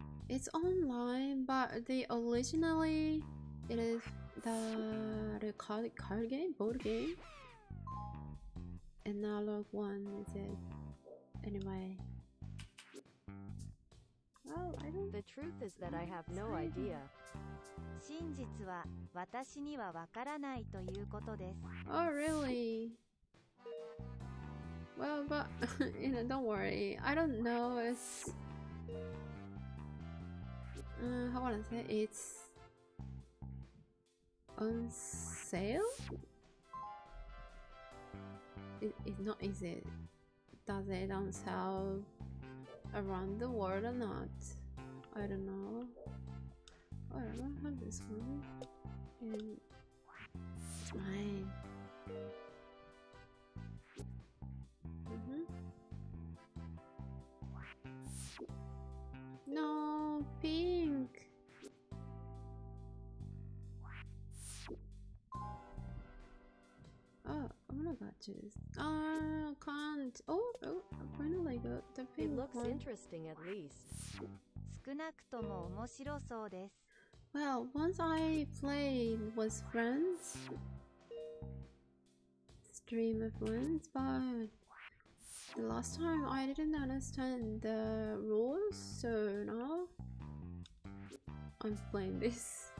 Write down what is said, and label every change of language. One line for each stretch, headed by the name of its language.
English: It's online, but the originally it is the card game, board game. Analog one, is it? Anyway. The truth is that I have no idea.
Japanese: 真実は私にはわからないということです。
English: Oh, really? Well, but, you know, don't worry. I don't know. It's... how would I say? It's... on sale? It's not, is it? Does it on sale around the world or not? I don't know. Oh, I don't have this one. It's mine. No, pink. Oh, I'm not about to. Oh, can't. Oh, I finally got the pink one. It looks interesting at least.
Japanese: 少なくとも面白そうです。
English: Well, once I played with friends, stream of friends, but the last time I didn't understand the rules, so now I'm playing this.